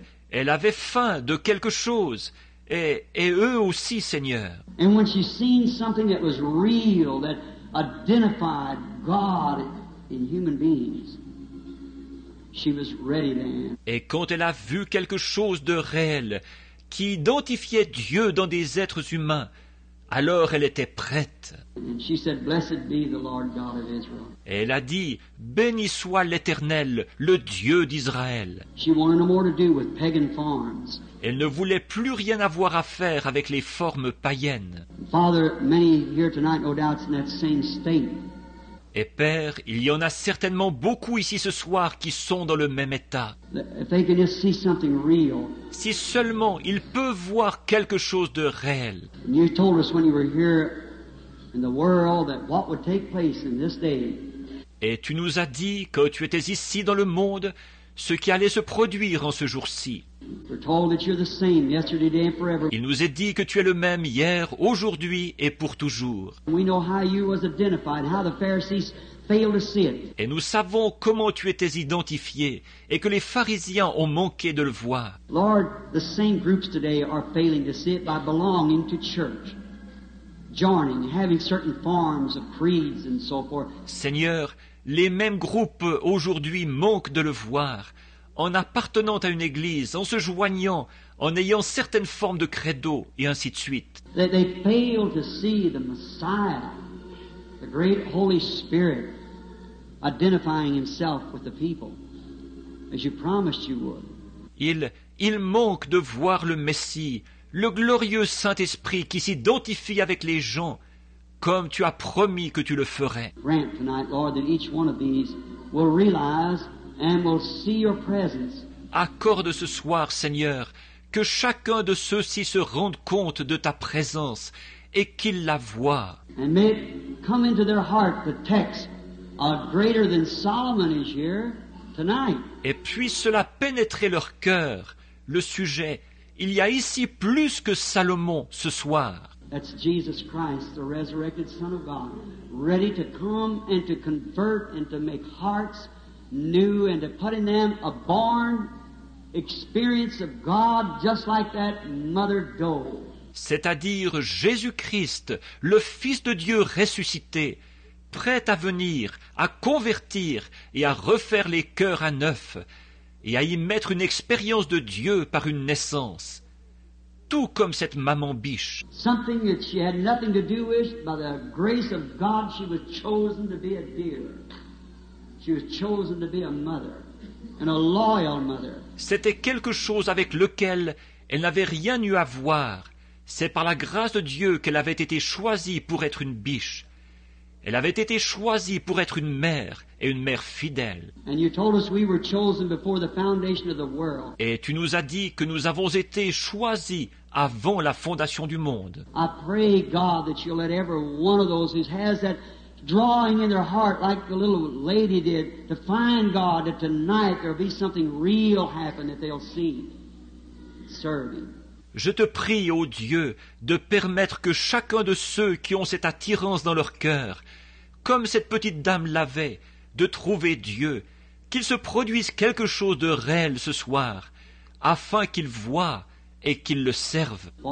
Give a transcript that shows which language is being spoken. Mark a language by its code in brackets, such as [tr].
[fr] Elle avait faim de quelque chose, et eux aussi, Seigneur. [en] And when she seen something that was real, that identified God in human beings, she was ready then. [fr] Et quand elle a vu quelque chose de réel, qui identifiait Dieu dans des êtres humains, alors elle était prête. [en] And she said, "Blessed be the Lord God of Israel." [fr] Et elle a dit, « Béni soit l'Éternel, le Dieu d'Israël. » [en] She wanted no more to do with pagan forms. [fr] Elle ne voulait plus rien avoir à faire avec les formes païennes. [en] Father, many here tonight, no doubt, in that same state. [fr] Et Père, il y en a certainement beaucoup ici ce soir qui sont dans le même état. [en] If they can just see something real. [fr] Si seulement ils peuvent voir quelque chose de réel. [en] You told us when you were here in the world that what would take place in this day. [fr] Et tu nous as dit que tu étais ici dans le monde, ce qui allait se produire en ce jour-ci. [en] We're told that you're the same yesterday, today, and forever. [fr] Il nous est dit que tu es le même hier, aujourd'hui et pour toujours. [en] We know how you was identified, how the Pharisees failed to see it. [fr] Et nous savons comment tu étais identifié et que les pharisiens ont manqué de le voir. [en] Lord, the same groups today are failing to see it by belonging to church, joining, having certain forms of creeds and so forth. [fr] Seigneur, les mêmes groupes aujourd'hui manquent de le voir. En appartenant à une église, en se joignant, en ayant certaines formes de credo, et ainsi de suite. [en] They fail to see the Messiah, the great Holy Spirit, identifying himself with the people, as you promised you would. [fr] Il manque de voir le Messie, le glorieux Saint-Esprit qui s'identifie avec les gens, comme tu as promis que tu le ferais. [en] Grant tonight, Lord, that each one of these will realize and will see your presence. [fr] Accorde ce soir, Seigneur, que chacun de ceux-ci se rende compte de ta présence et qu'il la voit. [en] And may it come into their heart the text, greater than Solomon is here tonight. [fr] Et puisse cela pénétrer leur cœur, le sujet, il y a ici plus que Salomon ce soir. [en] That's Jesus Christ, the resurrected Son of God, ready to come and to convert and to make hearts new and to put in them a born experience of God just like that mother doe. [fr] C'est-à-dire Jésus-Christ, le Fils de Dieu ressuscité, prêt à venir, à convertir et à refaire les cœurs à neuf et à y mettre une expérience de Dieu par une naissance, tout comme cette maman biche. [en] Something that she had nothing to do with, by the grace of God she was chosen to be a deer. She was chosen to be a mother, and a loyal mother. [fr] C'était quelque chose avec lequel elle n'avait rien eu à voir. C'est par la grâce de Dieu qu'elle avait été choisie pour être une biche. Elle avait été choisie pour être une mère et une mère fidèle. [en] And you told us we were chosen before the foundation of the world. [fr] Et tu nous as dit que nous avons été choisis avant la fondation du monde. [en] I pray God that you'll let every one of those who has that drawing in their heart, like the little lady did, to find God, that tonight there'll be something real happen that they'll see, serve Him. [fr] Je te prie, ô Dieu, de permettre que chacun de ceux qui ont cette attirance dans leur cœur, comme cette petite dame l'avait, de trouver Dieu, qu'il se produise quelque chose de réel ce soir, afin qu'ils voient et qu'ils le servent.